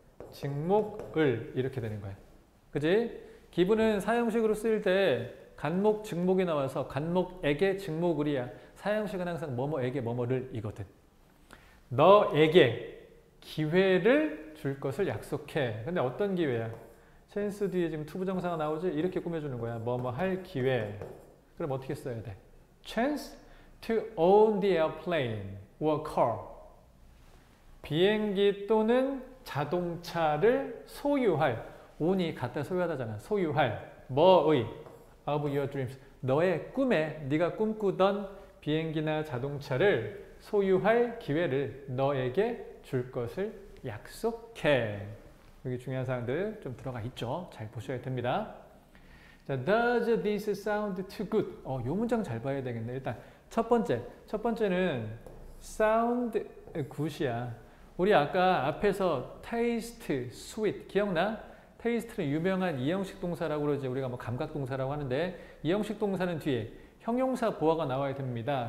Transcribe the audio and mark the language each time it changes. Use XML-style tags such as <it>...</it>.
<ko>직목을 이렇게 되는 거야. 그지? 기부는 사형식으로 쓰일 때 간목, 직목이 나와서 간목에게 직목을이야. 사형식은 항상 뭐뭐에게 뭐뭐를 이거든. 너에게 기회를 줄 것을 약속해. 근데 어떤 기회야? 챈스 뒤에 지금 to 부정사가 나오지? 이렇게 꾸며주는 거야. 뭐뭐 할 기회. 그럼 어떻게 써야 돼?</ko> <en>Chance to own the airplane or car.</en> <ko>비행기 또는 자동차를 소유할, own이 갖다 소유하다잖아. 소유할 뭐의</ko> <en>of your dreams,</en> <ko>너의 꿈에 네가 꿈꾸던 비행기나 자동차를 소유할 기회를 너에게 줄 것을 약속해. 여기 중요한 사항들 좀 들어가 있죠. 잘 보셔야 됩니다.</ko> <en>자, does this sound too good?</en> <ko>이 문장 잘 봐야 되겠네. 일단 첫 번째는 sound 굿이야. 우리 아까 앞에서 taste, sweet 기억나? taste는 유명한 이형식 동사라고 그러지 우리가 뭐 감각 동사라고 하는데 이형식 동사는 뒤에 형용사 보화가 나와야 됩니다.</ko>